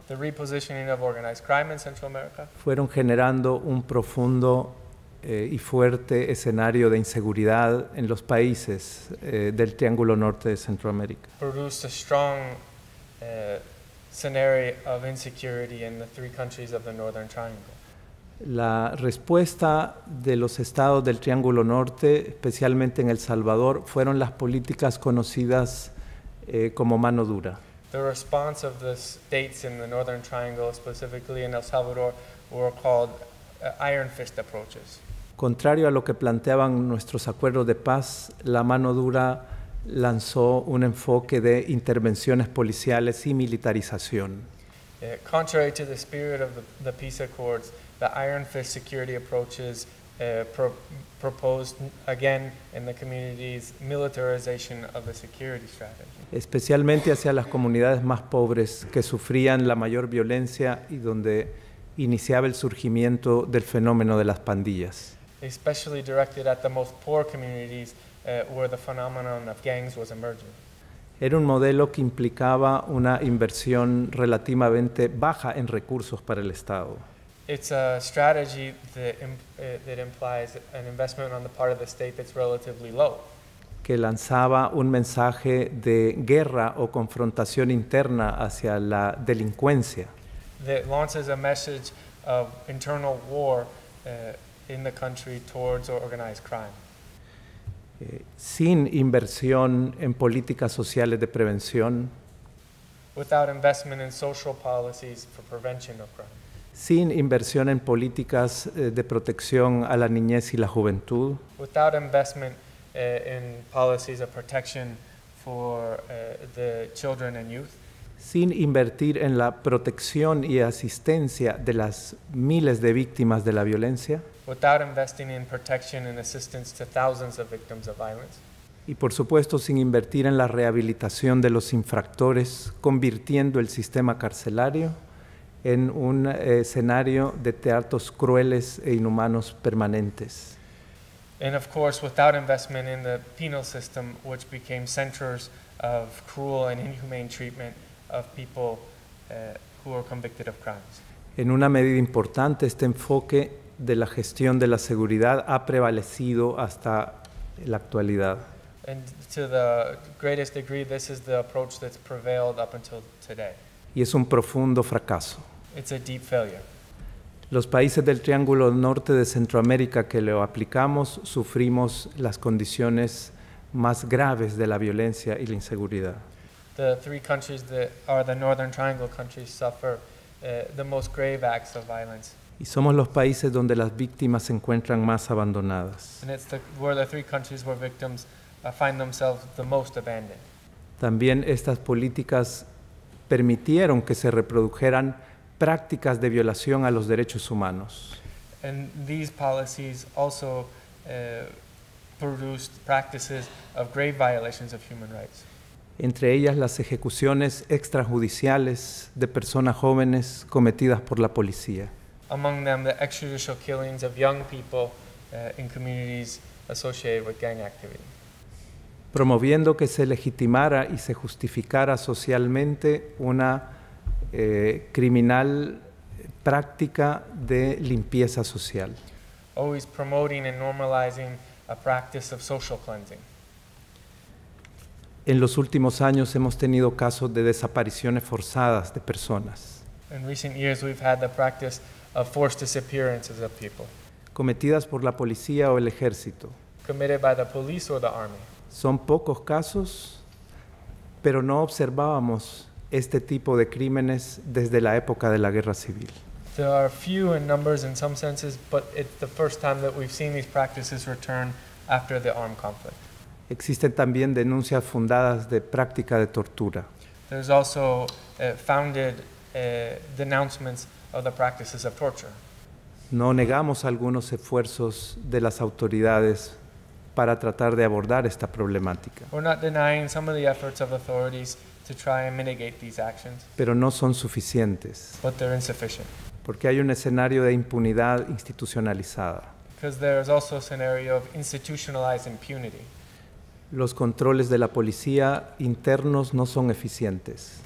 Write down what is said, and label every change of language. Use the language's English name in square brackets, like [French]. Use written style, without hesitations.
[English] The repositioning of organized crime in Central America. [Spanish] Fueron generando un profundo y fuerte escenario de inseguridad en los países del Triángulo Norte de Centroamérica. [English] Produced a strong scenario of insecurity in the three countries of the Northern Triangle. [Spanish] La respuesta de los estados del Triángulo Norte, especialmente en El Salvador, fueron las políticas conocidas como mano dura. [English] The response of the states in the Northern Triangle, specifically in El Salvador, were called iron fist approaches. [Spanish] Contrario a lo que planteaban nuestros acuerdos de paz, la mano dura lanzó un enfoque de intervenciones policiales y militarización. [English] Contrary to the spirit of the peace accords, the iron fist security approaches proposed again in the community's militarization of the security strategy. [Spanish] Especialmente hacia las comunidades más pobres que sufrían la mayor violencia y donde iniciaba el surgimiento del fenómeno de las pandillas. [English] Especially directed at the most poor communities where the phenomenon of gangs was emerging. [Spanish] Era un modelo que implicaba una inversión relativamente baja en recursos para el Estado. [English] It's a strategy that implies an investment on the part of the state that's relatively low. [Spanish] Que lanzaba un mensaje de guerra o confrontación interna hacia la delincuencia. [English] That launches a message of internal war in the country towards organized crime. [Spanish] Sin inversión en políticas sociales de prevención. [English] Without investment in social policies for prevention of crime. [Spanish] Sin inversión en políticas de protección a la niñez y la juventud. [English] Without investment in policies of protection for the children and youth. [Spanish] Sin invertir en la protección y asistencia de las miles de víctimas de la violencia. [English] Without investing in protection and assistance to thousands of victims of violence. [Spanish] Y por supuesto sin invertir en la rehabilitación de los infractores, convirtiendo el sistema carcelario en un escenario de teatros crueles e inhumanos permanentes. [English] And of course, without investment in the penal system, which became centers of cruel and inhumane treatment of people who are convicted of crimes. [Spanish] En una medida importante, este enfoque de la gestión de la seguridad ha prevalecido hasta la actualidad. [English] And to the greatest degree, this is the approach that's prevailed up until today. [Spanish] Y es un profundo fracaso. [English] It's a deep failure. [Spanish] Los países del Triángulo Norte de Centroamérica que lo aplicamos sufrimos las condiciones más graves de la violencia y la inseguridad. [English] The three countries that are the Northern Triangle countries suffer the most grave acts of violence. [Spanish] Y somos los países donde las víctimas se encuentran más abandonadas. [English] And it's where the three countries where victims find themselves the most abandoned. [Spanish] También estas políticas permitieron que se reprodujeran prácticas de violación a los derechos humanos. [English] And these policies also produced practices of grave violations of human rights. [Spanish] Entre ellas las ejecuciones extrajudiciales de personas jóvenes cometidas por la policía. [English] Among them, the extrajudicial killings of young people in communities associated with gang activity. [Spanish] Promoviendo que se legitimara y se justificara socialmente una criminal práctica de limpieza social. [English] Always promoting and normalizing a practice of social cleansing. [Spanish] En los últimos años hemos tenido casos de desapariciones forzadas de personas. [English] In recent years we've had the practice of forced disappearances of people. [Spanish] Cometidas por la policía o el ejército. [English] Committed by the police or the army. [Spanish] Son pocos casos, pero no observábamos este tipo de crímenes desde la época de la guerra civil. [English] There are few in numbers in some senses, but it's the first time that we've seen these practices return after the armed conflict. [Spanish] Existen también denuncias fundadas de práctica de tortura. [English] There's also founded denouncements of the practices of torture. [Spanish] No negamos algunos esfuerzos de las autoridades para tratar de abordar esta problemática. [English] We're not denying some of the efforts of authorities to try and mitigate these actions. [Spanish] Pero no son suficientes. [English] But they're insufficient. [Spanish] Porque hay un escenario de impunidad institucionalizada. [English] Because there's also a scenario of institutionalized impunity. [Spanish] Los controles de la policía internos no son eficientes.